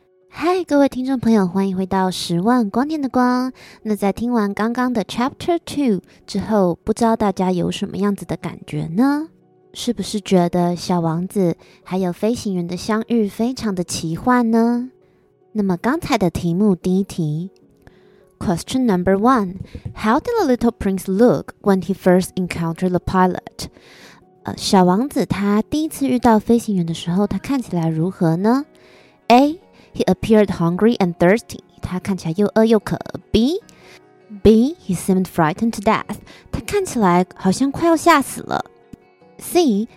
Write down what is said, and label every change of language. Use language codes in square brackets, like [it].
[zh] 嗨，各位听众朋友，欢迎回到十万光年的光。那在听完刚刚的 Chapter 2 之后，不知道大家有什么样子的感觉呢？是不是觉得小王子还有飞行员的相遇非常的奇幻呢？那么刚才的题目第一题 [en] Question number 1. How did the little prince look when he first encountered the pilot? [zh] 小王子他第一次遇到飞行员的时候，他看起来如何呢？ [en] A. He appeared hungry and thirsty. [zh] 他看起来又饿又渴。 [en] B. B. He seemed frightened to death. [zh] 他看起来好像快要吓死了。C.